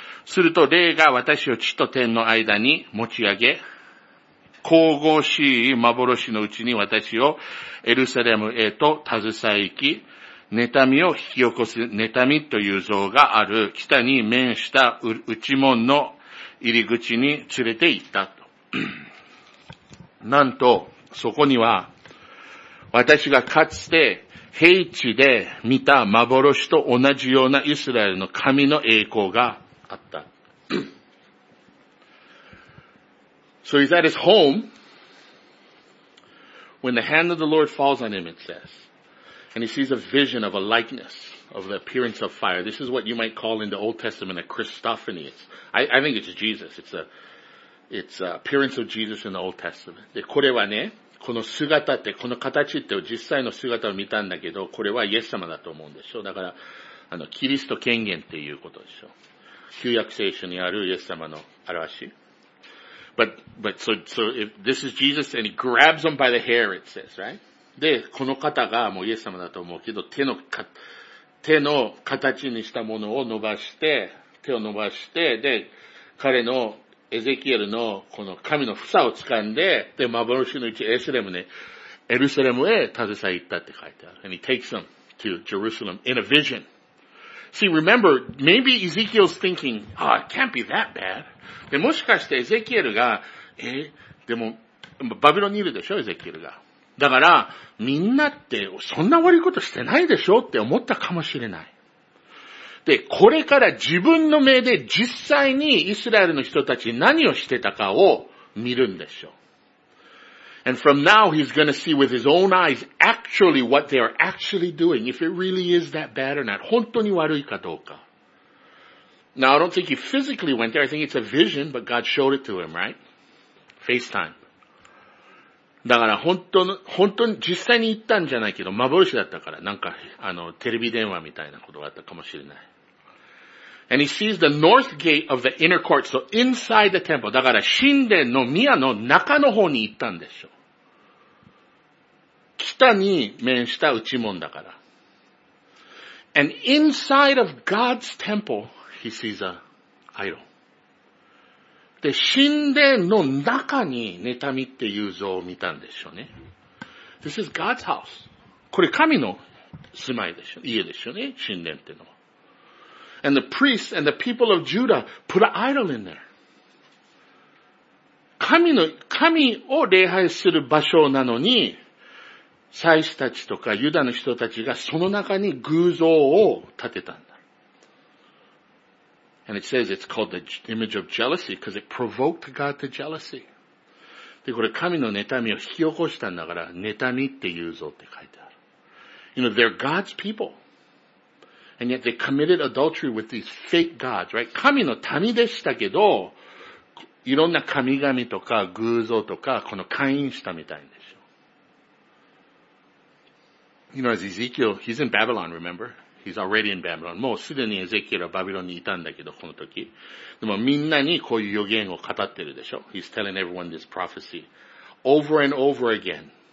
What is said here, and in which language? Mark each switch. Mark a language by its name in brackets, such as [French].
[Japanese] すると霊が私を地と天の間に持ち上げ、神々しい幻のうちに私をエルサレムへと携え行き、妬みを引き起こす妬みという像がある北に面した内門の入り口に連れて行ったと。なんと、そこには私がかつて平地で見た幻と同じようなイスラエルの神の栄光があった。 [English] So he's at his home when the hand of the Lord falls on him, it says, and he sees a vision of a likeness of the appearance of fire. This is what you might call in the Old Testament a Christophany. I think it's Jesus. It's a appearance of Jesus in the Old Testament. [Japanese] で、これはね、この姿って、この形って実際の姿を見たんだけど、これはイエス様だと思うんでしょ。だから、あの、キリスト権限っていうことでしょ。旧約聖書にあるイエス様の表し。 [English] But, so, if this is Jesus and he grabs him by the hair, it says, right? [Japanese] で、この方がもうイエス様だと思うけど、手の形にしたものを伸ばして、手を伸ばして、で、彼のエゼキエルのこの神の房を掴んで、で、幻のうちエスレムね、エルサレムへ携え行ったって書いてある。 [English] And he takes them to Jerusalem in a vision. See, remember, maybe Ezekiel's thinking, oh, it can't be that bad. [Japanese] で、もしかしてエゼキエルが、でも、バビロンにいるでしょ、エゼキエルが。だから、みんなってそんな悪いことしてないでしょって思ったかもしれない。で、これから自分の目で実際にイスラエルの人たち何をしてたかを見るんでしょう。 [English] And from now he's gonna see with his own eyes actually what they are actually doing, if it really is that bad or not. [Japanese] 本当に悪いかどうか。 [English] Now I don't think he physically went there, I think it's a vision, but God showed it to him, right? FaceTime. [Japanese] だから本当に実際に行ったんじゃないけど、幻だったから、なんかあのテレビ電話みたいなことがあったかもしれない。 [English] And he sees the north gate of the inner court, so inside the temple. [Japanese] だから神殿の宮の中の方に行ったんでしょう。北に面した内門だから。 [English] And inside of God's temple, he sees an idol. [Japanese] で、神殿の中に妬みっていう像を見たんでしょうね。 [English] This is God's house. [Japanese] これ神の住まいでしょ、家でしょうね、神殿っていうのは。 [English] And the priests and the people of Judah put an idol in there. [Japanese] 神を礼拝する場所なのに、祭司たちとかユダの人たちがその中に偶像を建てたんだ。 [English] And it says it's called the image of jealousy because it provoked God to jealousy. [Japanese] で、これ神の妬みを引き起こしたんだから、妬みっていう像って書いてある。 [English] You know, they're God's people. And yet they committed adultery with these fake gods, right? [Japanese] 神の民でしたけど、いろんな神々とか偶像とか、この会員したみたいんでしょ。 [English] You know, as Ezekiel, he's in Babylon, remember? He's already in Babylon. [Japanese] もうすでにエゼキエルはバビロンにいたんだけど、この時。でもみんなにこういう予言を語ってるでしょ。 [English] He's telling everyone this prophecy over and over again.